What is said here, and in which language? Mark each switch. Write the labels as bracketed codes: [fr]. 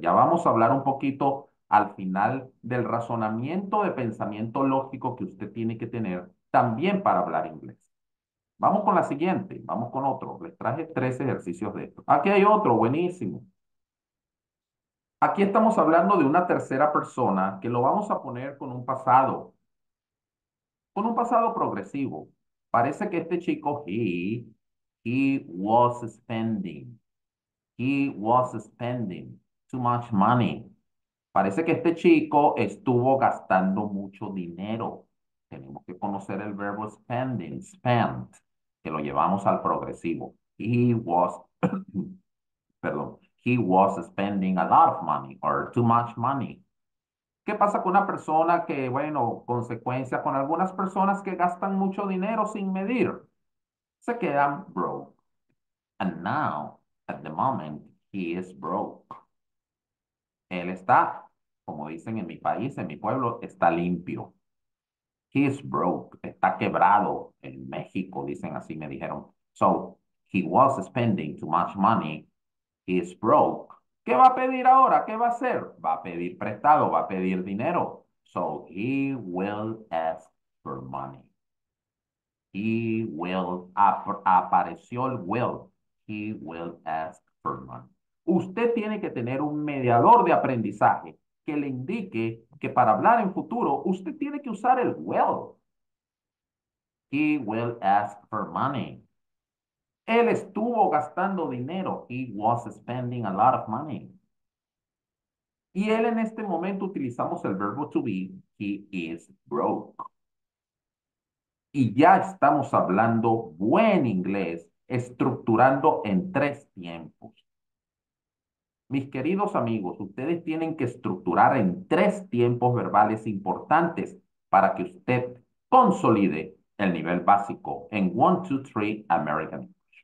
[es] Ya vamos a hablar un poquito al final del razonamiento de pensamiento lógico que usted tiene que tener también para hablar inglés. Vamos con la siguiente, vamos con otro. Les traje tres ejercicios de esto. Aquí hay otro, buenísimo. Aquí estamos hablando de una tercera persona que lo vamos a poner con un pasado progresivo. Parece que este chico, [en] he was spending, he was spending too much money. [es] Parece que este chico estuvo gastando mucho dinero. Tenemos que conocer el verbo spending, spent, que lo llevamos al progresivo. [en] He was, perdón, he was spending a lot of money or too much money. [es] ¿Qué pasa con una persona que, bueno, consecuencia con algunas personas que gastan mucho dinero sin medir? Se quedan broke. [en] And now, at the moment, he is broke. [es] Él está, como dicen en mi país, en mi pueblo, está limpio. [en] He is broke. [es] Está quebrado en México, dicen así, me dijeron. [en] So, he was spending too much money. He is broke. [es] ¿Qué va a pedir ahora? ¿Qué va a hacer? Va a pedir prestado, va a pedir dinero. [en] So, he will ask for money. He will, [es] apareció el will. [en] He will ask for money. [es] Usted tiene que tener un mediador de aprendizaje que le indique que para hablar en futuro, usted tiene que usar el will. [en] He will ask for money. [es] Él estuvo gastando dinero. [en] He was spending a lot of money. [es] Y él en este momento utilizamos el verbo to be. [en] He is broke. [es] Y ya estamos hablando buen inglés, estructurando en tres tiempos. Mis queridos amigos, ustedes tienen que estructurar en tres tiempos verbales importantes para que usted consolide el nivel básico en 1, 2, 3 American.